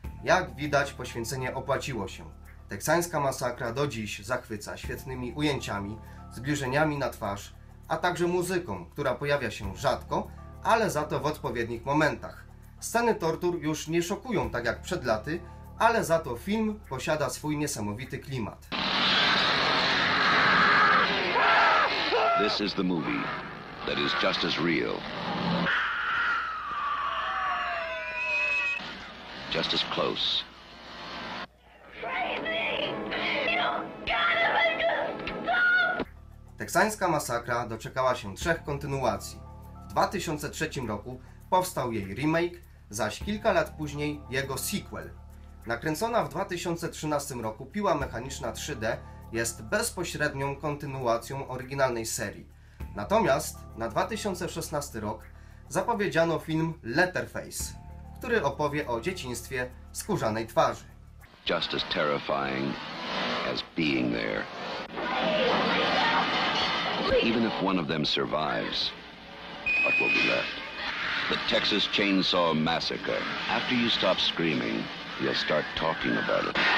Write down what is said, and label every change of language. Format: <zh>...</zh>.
<pl>Jak widać, poświęcenie opłaciło się. Teksańska masakra do dziś zachwyca świetnymi ujęciami, zbliżeniami na twarz, a także muzyką, która pojawia się rzadko, ale za to w odpowiednich momentach. Sceny tortur już nie szokują tak jak przed laty, ale za to film posiada swój niesamowity klimat.</pl> <en>This is the movie that is just as real. Just as close.</en> <pl>Teksańska masakra doczekała się trzech kontynuacji. W 2003 roku powstał jej remake, zaś kilka lat później jego sequel. Nakręcona w 2013 roku piła mechaniczna 3D jest bezpośrednią kontynuacją oryginalnej serii. Natomiast na 2016 rok zapowiedziano film Letterface, który opowie o dzieciństwie skórzanej twarzy.</pl> <en>Just as terrifying as being there. Even if one of them survives, what will be left? The Texas Chainsaw Massacre. After you stop screaming, you'll start talking about it.</en>